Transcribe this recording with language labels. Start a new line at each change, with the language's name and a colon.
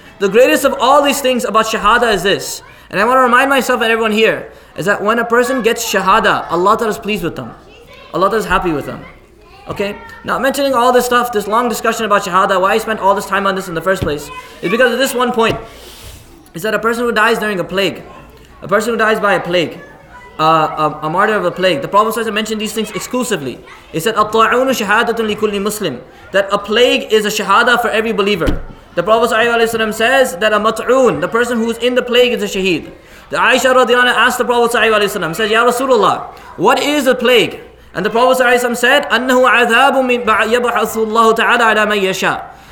English: The greatest of all these things about Shahada is this, and I want to remind myself and everyone here, is that when a person gets Shahada, Allah is pleased with them. Allah is happy with them. Okay? Now, mentioning all this stuff, this long discussion about Shahada, why I spent all this time on this in the first place, is because of this one point, is that a person who dies during a plague, a person who dies by a plague, a martyr of a plague. The Prophet ﷺ mentioned these things exclusively. He said,
Arabic: "الطاعون شهادة لكل مسلم."
English: That a plague is a shahada for every believer. The Prophet ﷺ says that a mat'oon, the person who is in the plague, is a shaheed. The Aisha radiallahu anha asked the Prophet sallallahu alaihi wasallam, said, "Ya Rasulullah, what is a plague?" And the Prophet said,
Arabic: "Annahu adhabu min yabhathu Allah ta'ala ala man yasha."